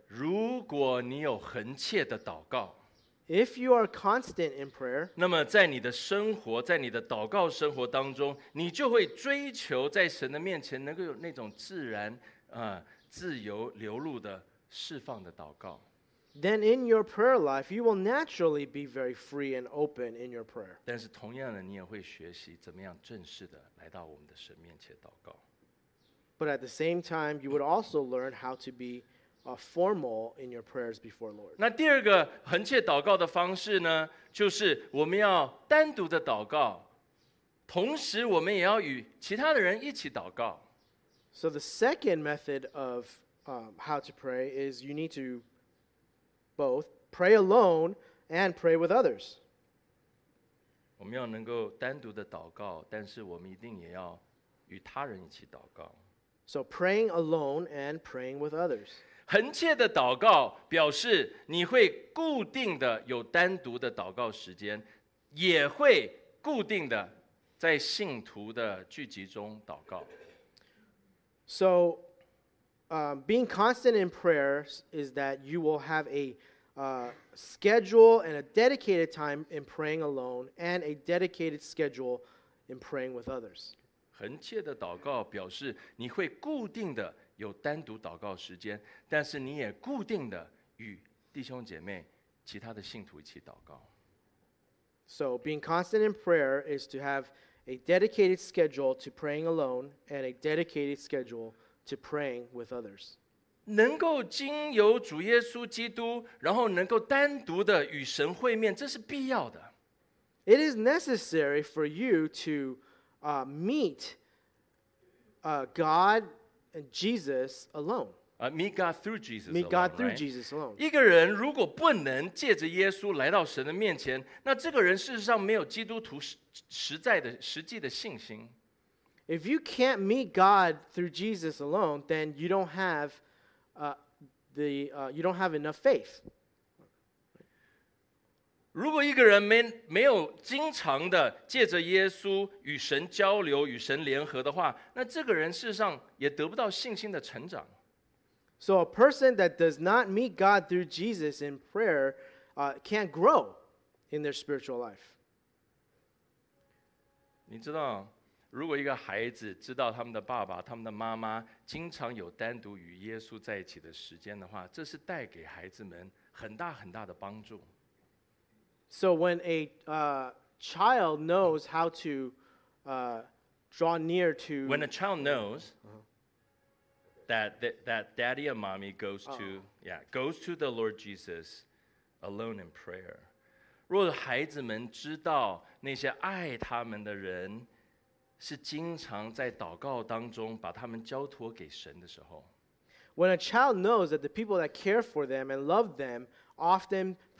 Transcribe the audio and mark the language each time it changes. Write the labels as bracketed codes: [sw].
[zh] 如果你有恒切的祷告， [en] If you are constant in prayer, [zh] 那么在你的生活，在你的祷告生活当中，你就会追求在神的面前能够有那种自然、自由流露的释放的祷告。 [en] Then in your prayer life, you will naturally be very free and open in your prayer. [zh] 但是同样的，你也会学习怎么样正式的来到我们的神面前祷告。 [en] But at the same time, you would also learn how to be formal in your prayers before Lord. [zh] 那第二个恒切祷告的方式呢，就是我们要单独的祷告，同时我们也要与其他的人一起祷告。 [en] So the second method of how to pray is you need to both pray alone and pray with others. [zh] 我们要能够单独的祷告，但是我们一定也要与他人一起祷告。 [en] So praying alone and praying with others. [zh] 恒切的祷告表示你会固定的有单独的祷告时间，也会固定的在信徒的聚集中祷告。 [en] So being constant in prayer is that you will have a schedule and a dedicated time in praying alone and a dedicated schedule in praying with others. [zh] 恒切的祷告表示你会固定的有单独祷告时间，但是你也固定的与弟兄姐妹、其他的信徒一起祷告。 [en] So being constant in prayer is to have a dedicated schedule to praying alone and a dedicated schedule to praying with others. [zh] 能够经由主耶稣基督，然后能够单独的与神会面，这是必要的。 [en] It is necessary for you to meet God and Jesus alone. Meet God through Jesus alone. Meet God through、 Jesus alone. [zh] 一个人如果不能借着耶稣来到神的面前，那这个人事实上没有基督徒实际的信心。 [en] If you can't meet God through Jesus alone, then you don't have you don't have enough faith. [zh] 如果一个人没有经常的借着耶稣与神交流、与神联合的话，那这个人事实上也得不到信心的成长。 [en] So a person that does not meet God through Jesus in prayer, can't grow in their spiritual life. [zh] 你知道，如果一个孩子知道他们的爸爸、他们的妈妈经常有单独与耶稣在一起的时间的话，这是带给孩子们很大很大的帮助。 [en] So when a child knows how to draw near to... When a child knows that daddy and mommy goes to the Lord Jesus alone in prayer. [zh] 若孩子们知道那些爱他们的人是经常在祷告当中把他们交托给神的时候。 [en] When a child knows that the people that care for them and love them often...